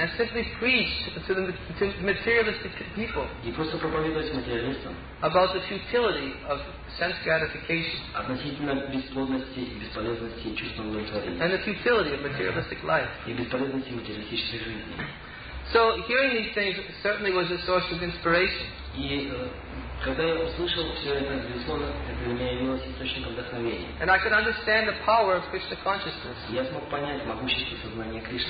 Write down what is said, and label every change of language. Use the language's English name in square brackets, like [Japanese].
[English] And simply preach to materialistic people. [Russian] И просто проповедовать материалистам. [English] About the futility of sense gratification. [Russian] Относительно бесплодности и бесполезности чувства удовлетворения. [English] And the futility of materialistic life. [Russian] И бесполезности материалистической жизни. [English] So hearing these things certainly was a source of inspiration. [Russian] И когда я услышал все это, безусловно, это для меня явилось источником вдохновения. [English] And I could understand the power of Krishna consciousness. [Russian] Я смог понять могущество сознания Кришны.